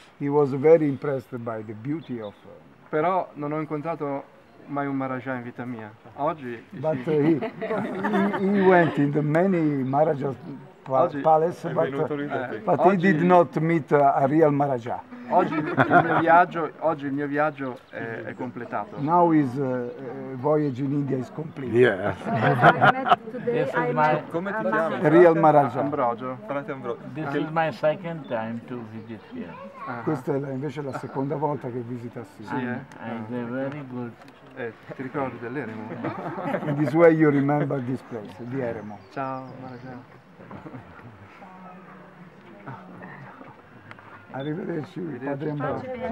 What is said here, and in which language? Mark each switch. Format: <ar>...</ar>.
<en>He was very impressed by the beauty of.</en> <it>Però non ho incontrato mai un Maharaja in vita mia. Oggi.</it> <en>But he went in the many Maharaja palace, but he did not meet a real Maharaja.</en> <it>Oggi il mio viaggio è completato.</it> <en>Now his voyage in India is complete. Yeah. This is my</en> <it>come ti chiami?</it> <en>Real Maharaja.</en> <it>Ambrogio.</it> <en>This is my second time to visit here. Uh-huh.</en> <it>Questa è invece la seconda volta che visita Sì. Sì,</it> <en>è very good.</en> <it>Ti ricordi dell'eremo?</it> <en>In this way you remember this place,</en> <it>di eremo. Ciao Maharaja. Arrivederci, padre Ambrogio.</it>